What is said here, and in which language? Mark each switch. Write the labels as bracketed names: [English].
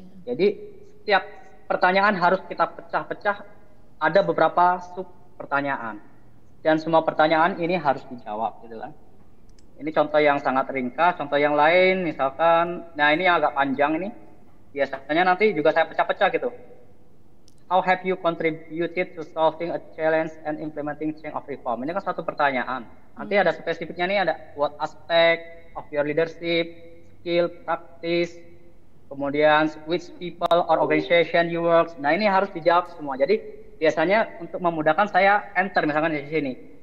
[Indonesian] Jadi setiap pertanyaan harus kita pecah-pecah, ada beberapa sub pertanyaan. Dan semua pertanyaan ini harus dijawab gitu kan. Ini contoh yang sangat ringkas, contoh yang lain misalkan, nah ini yang agak panjang ini. Biasanya nanti juga saya pecah-pecah gitu. [English] How have you contributed to solving a challenge and implementing change of reform? [Indonesian] Ini kan satu pertanyaan. Nanti ada spesifiknya nih, ada [English] what aspect of your leadership, skill, practice, [Indonesian] kemudian [English] which people or organization you work. [Indonesian] Nah ini harus dijawab semua. Jadi biasanya untuk memudahkan saya enter misalkan di sini.